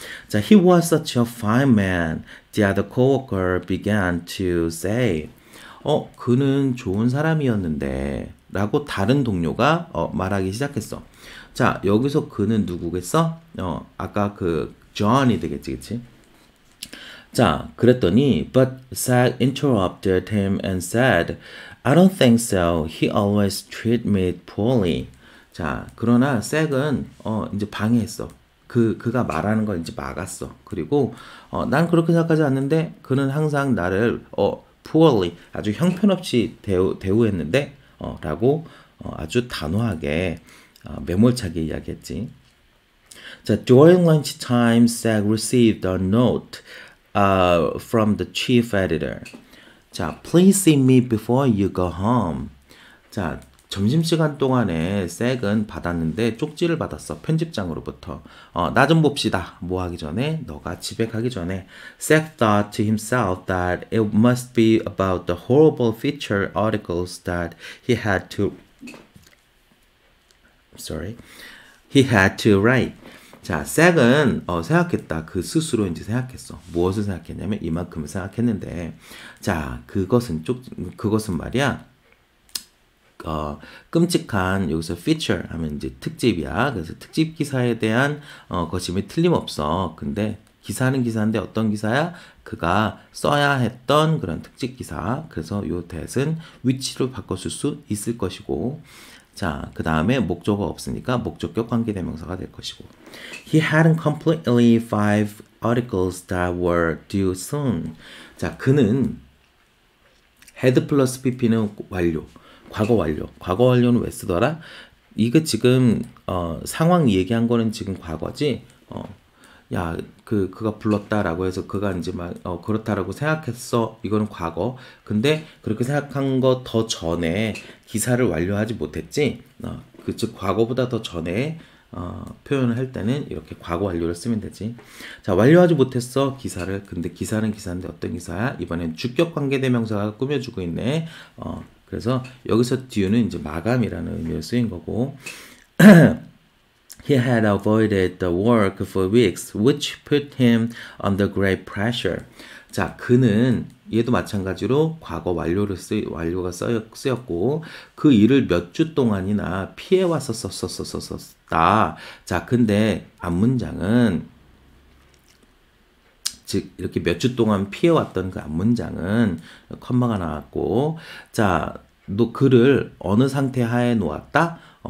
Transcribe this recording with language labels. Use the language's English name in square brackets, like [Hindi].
[English] 자, he was such a fine man. The other co-worker began to say, [Korean] 그는 좋은 사람이었는데, 라고 다른 동료가 말하기 시작했어. 자, 여기서 그는 누구겠어? 아까 그 John이 되겠지, 그치? 자, 그랬더니, [English] but Zack interrupted him and said, I don't think so. He always treat me poorly. [Korean] 자, 그러나 Zack은 이제 방해했어. 그가 말하는 걸 이제 막았어. 그리고 난 그렇게 생각하지 않는데, 그는 항상 나를 poorly, 아주 형편없이 대우했는데, 라고 아주 단호하게 매몰차게 이야기했지. [English] 자, during lunch time, Zack received a note from the chief editor. 자, please see me before you go home. [Korean] 자, 점심시간 동안에 색은 받았는데 쪽지를 받았어. 편집장으로부터. 나좀 봅시다. 뭐 하기 전에? 너가 집에 가기 전에. [English] Zack thought to himself that it must be about the horrible feature articles that he had to. Sorry. He had to write. [Korean] 자, 색은 생각했다. 그 스스로 이제 생각했어. 무엇을 생각했냐면 이만큼을 생각했는데, 자, 그것은 말이야. 끔찍한 여기서 feature 하면 이제 특집이야. 그래서 특집 기사에 대한 거침이 틀림없어. 근데 기사는 기사인데 어떤 기사야? 그가 써야 했던 그런 특집 기사. 그래서 요 that은 위치로 바꿨을 수 있을 것이고. 자, 그 다음에 목적어가 없으니까 목적격 관계대명사가 될 것이고. [English] He hadn't completely five articles that were due soon. [Korean] 자, 그는 had plus pp는 완료, 과거 완료. 과거 완료는 왜 쓰더라? 이거 지금 상황 얘기한 거는 지금 과거지. 야, 그가 불렀다라고 해서 그가 이제 막 그렇다라고 생각했어. 이거는 과거. 근데 그렇게 생각한 거더 전에 기사를 완료하지 못했지. 그즉 과거보다 더 전에 표현을 할 때는 이렇게 과거 완료를 쓰면 되지. 자, 완료하지 못했어 기사를. 근데 기사는 기사인데 어떤 기사야? 이번엔 주격 관계대명사가 꾸며주고 있네. 그래서 여기서 due는 이제 마감이라는 의미로 쓰인 거고. [English] He had avoided the work for weeks, which put him under great pressure. [Korean] 자, 그는 얘도 마찬가지로 과거 완료가 쓰였고 그 일을 몇주 동안이나 피해 왔었었었었었다. 자, 근데 앞문장은 즉 이렇게 몇주 동안 피해 왔던 그 앞문장은 콤마가 나왔고, 자, 너 그를 어느 상태 하에 놓았다?